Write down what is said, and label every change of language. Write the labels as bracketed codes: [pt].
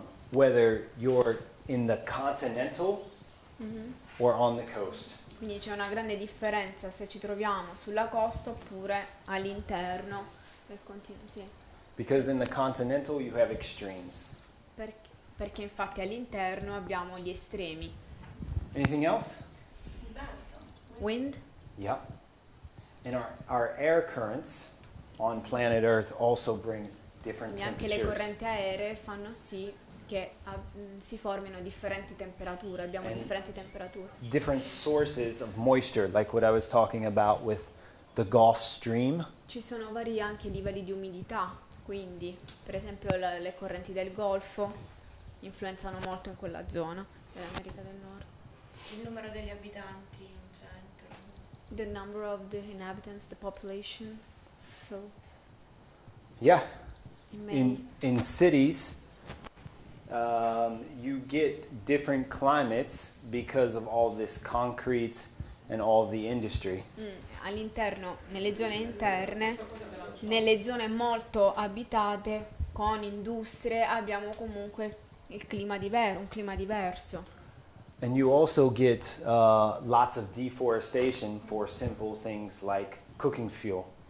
[en] Whether you're in the continental or on the coast. [it] Quindi c'è una grande differenza se ci troviamo sulla costa oppure all'interno del continente. Sì. [en] Because in the continental you have extremes. [it] Perché infatti all'interno abbiamo gli estremi. [en] Anything else? Wind. Yeah. And our air currents on planet Earth also bring different [it] e anche le correnti aeree fanno sì che si formino differenti temperature, abbiamo [en] and [it] differenti temperature. [en] Different sources of moisture, like what I was talking about with the Gulf Stream. [it] Ci sono vari anche livelli di umidità, quindi per esempio le correnti del Golfo influenzano molto in quella zona dell'America del Nord. Il numero degli abitanti in centro. [en] The number of the inhabitants, the population. So. Yeah. In cities, you get different climates because of all this concrete and all the industry. [it] All'interno, nelle zone interne, nelle zone molto abitate, con industrie, abbiamo comunque un clima diverso. [en] And you also get lots of deforestation for simple things like cooking fuel.